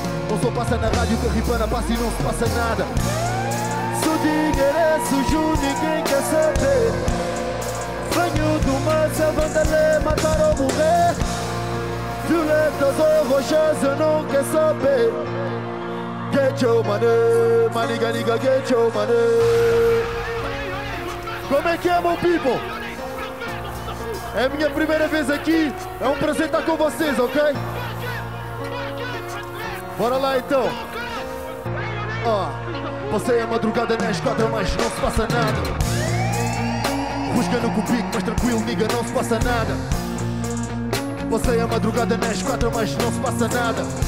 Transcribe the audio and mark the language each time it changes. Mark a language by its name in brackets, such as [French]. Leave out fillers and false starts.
[Portuguese] Ou só passa na rádio que a Ribana passa e não se passa nada. Se o dinheiro é sujo, ninguém quer saber. Venho de uma savana, matar ou morrer. Violetas ou roxas, eu não quero saber. [English] Get your money, maniga, niga, get your money. [Portuguese] Como é que é, meu people? É a minha primeira vez aqui, é um prazer estar com vocês, ok? Bora lá então! Oh, passei a madrugada na esquadra, mas não se passa nada. Rusga no cubico, mas tranquilo, niga, não se passa nada. Passei a madrugada na esquadra, mas não se passa nada.